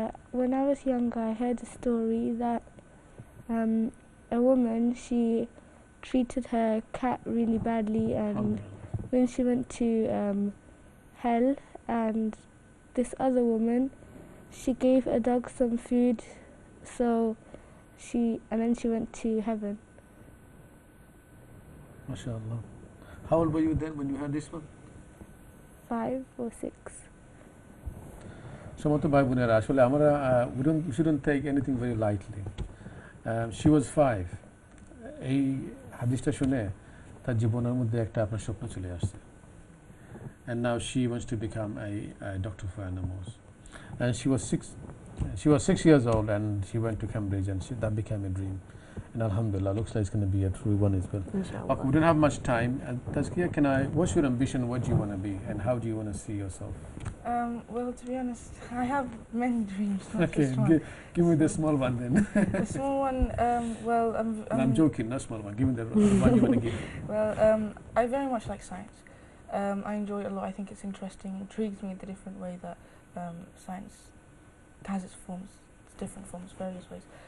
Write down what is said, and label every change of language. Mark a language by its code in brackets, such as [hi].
[en] When I was younger, I heard a story that a woman, she treated her cat really badly, and when she went to hell, and this other woman, she gave a dog some food, so she, and then she went to heaven. [ar] MashaAllah. [en] How old were you then when you heard this one? 5 or 6. [bn] সমস্ত ভাই বোনেরা আসলে আমরা [en] shouldn't take anything very lightly she was 5 [bn] এই হাদিসটা শুনে তার জীবনের মধ্যে একটা আপনার স্বপ্ন চলে আসছে [en] And now she wants to become a doctor for animals and she was six years old and she went to Cambridge and she that become a dream and আলহামদুলিল্লাহ looks like it's gonna be a true one as well okay we don't have much time Tazkia can I what's your ambition what do you want to be and how do you want to see yourself Well, to be honest, I have many dreams, not okay, just one. Okay, give me the small one then. The small one, well, I'm joking, not small one. Give me the one you want to give. Well, I very much like science. I enjoy it a lot. I think it's interesting. It intrigues me the different way that science has its forms, its different forms, various ways.